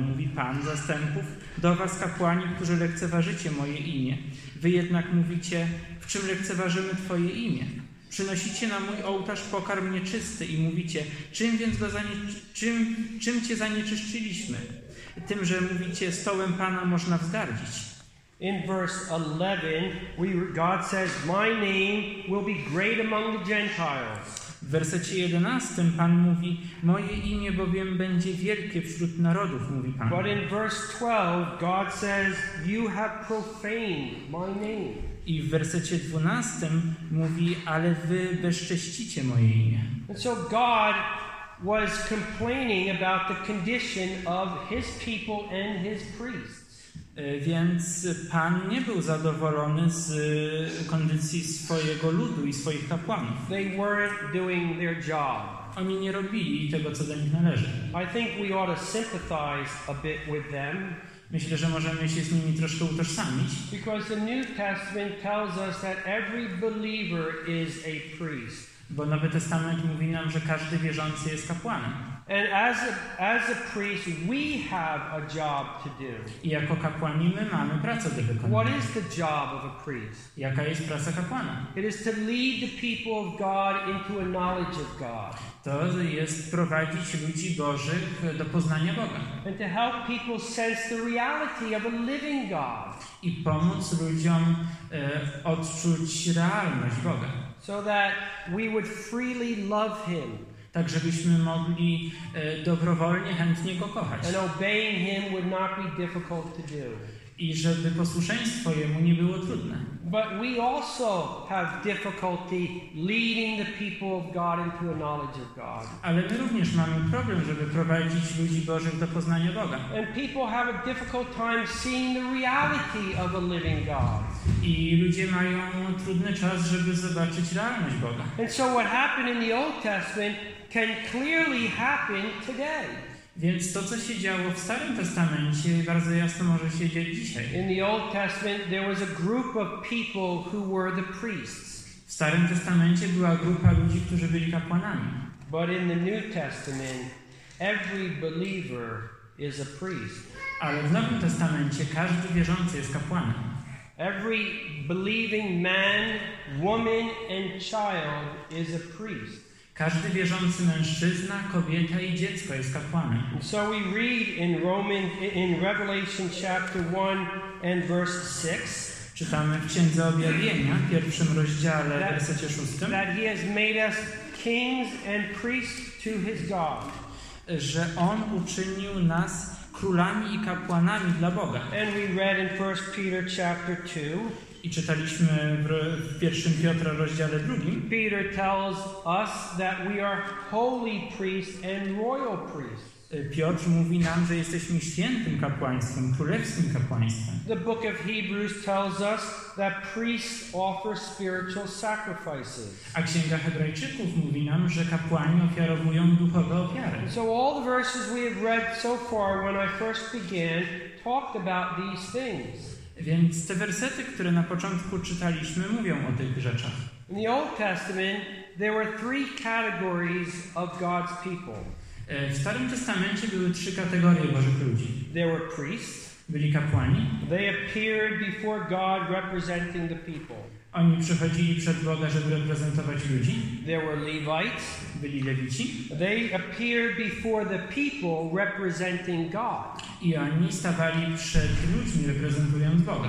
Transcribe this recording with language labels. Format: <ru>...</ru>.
<pl>Mówi Pan zastępów, do was kapłani, którzy lekceważycie moje imię. Wy jednak mówicie: w czym lekceważymy twoje imię? Przynosicie na mój ołtarz pokarm nieczysty i mówicie: czym więc czym cię zanieczyszczyliśmy? Tym, że mówicie: stołem pana można wzgardzić.</pl> <en>In verse 11, God says, my name will be great among the Gentiles.</en> <pl>W wersecie 11 Pan mówi: moje imię bowiem będzie wielkie wśród narodów, mówi Pan.</pl> <en>But in verse 12, God says, you have profaned my name.</en> <pl>I w wersecie 12 mówi: ale wy bezcześcicie moje imię.</pl> <en>And so God was complaining about the condition of his people and his priests.</en> <pl>Więc Pan nie był zadowolony z kondycji swojego ludu i swoich kapłanów.</pl> <en>They weren't doing their job.</en> <pl>Oni nie robili tego, co do nich należy.</pl> <en>I think we ought to sympathize a bit with them.</en> <pl>Myślę, że możemy się z nimi troszkę utożsamić.</pl> <en>Because the New Testament tells us that every believer is a priest.</en> <pl>Bo Nowy Testament mówi nam, że każdy wierzący jest kapłanem.</pl> <en>And as a priest, we have a job to do.</en> <pl>I jako kapłani my mamy pracę do wykonania.</pl> <en>What is the job of a priest?</en> <pl>Jaka jest praca kapłana?</pl> <en>It is to lead the people of God into a knowledge of God.</en> <pl>To jest prowadzić ludzi Bożych do poznania Boga.</pl> <en>And to help people sense the reality of a living God.</en> <pl>I pomóc ludziom odczuć realność Boga.</pl> <en>So that we would freely love him.</en> <pl>Tak, żebyśmy mogli dobrowolnie, chętnie go kochać.</pl> <en>And obeying him would not be difficult to do.</en> <pl>I żeby posłuszeństwo jemu nie było trudne.</pl> <en>But we also have difficulty leading the people of God into a knowledge of God.</en> <pl>Ale my również mamy problem, żeby prowadzić ludzi Bożych do poznania Boga.</pl> <en>And people have a difficult time seeing the reality of a living God.</en> <pl>I ludzie mają trudny czas, żeby zobaczyć realność Boga.</pl> <en>And so what happened in the Old Testament can clearly happen today.</en> <pl>Więc to, co się działo w Starym Testamencie, bardzo jasno może się dziać dzisiaj.</pl> <en>In the Old Testament there was a group of people who were the priests.</en> <pl>W Starym Testamencie była grupa ludzi, którzy byli kapłanami.</pl> <en>But in the New Testament every believer is a priest.</en> <pl>Ale w Nowym Testamencie każdy wierzący jest kapłanem.</pl> <en>Every believing man, woman and child is a priest.</en> <pl>Każdy wierzący mężczyzna, kobieta i dziecko jest kapłanem.</pl> <en>So we read in Revelation chapter 1 and verse 6.</en> <pl>Czytamy w Księdze Objawienia, w pierwszym rozdziale, w wersecie 6.</pl> <en>That he has made us kings and priests to his God.</en> <pl>Że on uczynił nas królami i kapłanami dla Boga.</pl> <en>And we read in 1 Peter chapter 2.</en> <pl>I czytaliśmy w pierwszym Piotra rozdziale 2.</pl> <en>Peter tells us that we are holy priests and royal priests.</en> <pl>Piotr mówi nam, że jesteśmy świętym kapłaństwem, królewskim kapłaństwem.</pl> <en>The book of Hebrews tells us that priests offer spiritual sacrifices.</en> <pl>A Księga Hebrajczyków mówi nam, że kapłani ofiarowują duchowe ofiary.</pl> <en>So all the verses we have read so far when I first began talked about these things.</en> <pl>Więc te wersety, które na początku czytaliśmy, mówią o tych rzeczach.</pl> <en>In the Old Testament there were three categories of God's people.</en> <pl>W Starym Testamencie były trzy kategorie Bożych ludzi.</pl> <en>There were priests.</en> <pl>Byli kapłani.</pl> <en>They appeared before God representing the people.</en> <pl>Oni przychodzili przed Boga, żeby reprezentować ludzi.</pl> <en>There were Levites.</en> <pl>Byli Lewici.</pl> <en>They appeared before the people representing God.</en> <pl>I oni stawali przed ludźmi, reprezentując Boga.</pl>